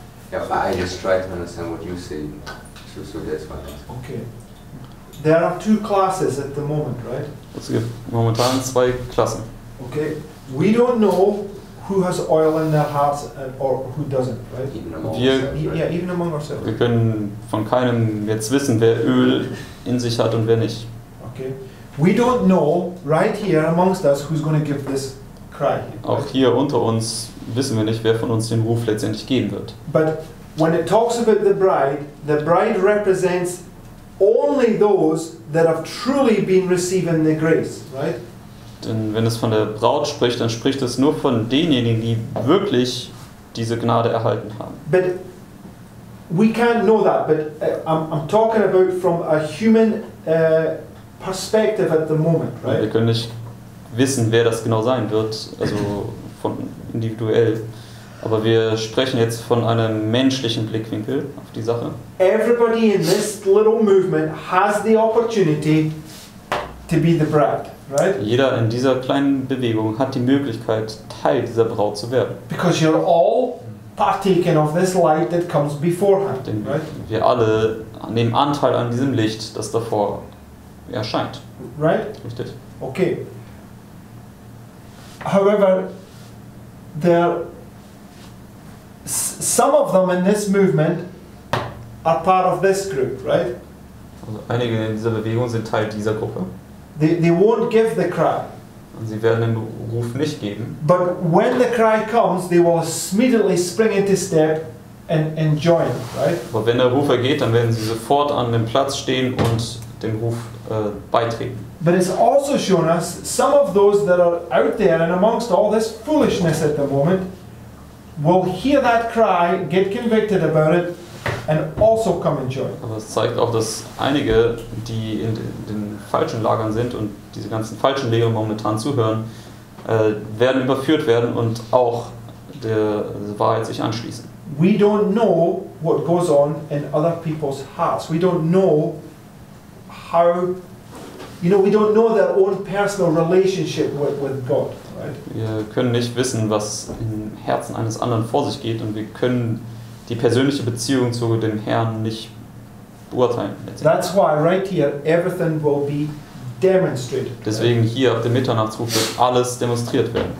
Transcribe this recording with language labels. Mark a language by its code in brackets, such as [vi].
[en] Yeah, but I just try to understand what you're saying. So that's why. Okay. There are two classes at the moment, right? [de] Es gibt momentan zwei Klassen. [en] Okay. We don't know who has oil in their hearts or who doesn't, right? Even among ourselves. Yeah, even among ourselves. [de] Wir können von keinem jetzt wissen, wer Öl in sich hat und wer nicht. [en] Okay. We don't know right here amongst us who's going to give this cry. Right? [de] Auch hier unter uns wissen wir nicht, wer von uns den Ruf letztendlich geben wird. [en] But when it talks about the bride represents only those that have truly been receiving the grace, right? [de] Denn wenn es von der Braut spricht, dann spricht es nur von denjenigen, die wirklich diese Gnade erhalten haben. [en] But we can't know that, but I'm talking about from a human perspective at the moment, right? [de] Wir können nicht wissen, wer das genau sein wird, also von individuell. Aber wir sprechen jetzt von einem menschlichen Blickwinkel auf die Sache. [en] Everybody in this little movement has the opportunity to be the bride, right? [de] Jeder in dieser kleinen Bewegung hat die Möglichkeit, Teil dieser Braut zu werden. [en] Because you're all partaking of this light that comes beforehand. [de] Denn wir alle nehmen Anteil an diesem Licht, das davor erscheint. [en] Right? [de] Richtig. [en] Okay. However, there some of them in this movement are part of this group, right? [de] Also einige in dieser Bewegung sind Teil dieser Gruppe. [en] They won't give the cry. [de] Und sie werden den Ruf nicht geben. [en] But when the cry comes, they will immediately spring into step and join, right? [de] Aber wenn der Ruf ergeht, dann werden sie sofort an dem Platz stehen und dem Ruf beitreten. [en] But it's also shown us some of those that are out there and amongst all this foolishness at the moment will hear that cry, get convicted about it, and also come and join. [de] Aber es zeigt auch, dass einige, die in den falschen Lagern sind und diese ganzen falschen Lehren momentan zuhören, werden überführt werden und auch der Wahrheit sich anschließen. [en] We don't know what goes on in other people's hearts. We don't know how, you know, we don't know their own personal relationship with God. [de] Wir können nicht wissen, was im Herzen eines anderen vor sich geht, und wir können die persönliche Beziehung zu dem Herrn nicht beurteilen. [en] That's why right here everything will be demonstrated. [de] Deswegen hier auf dem Mitternachtsruf wird alles demonstriert werden.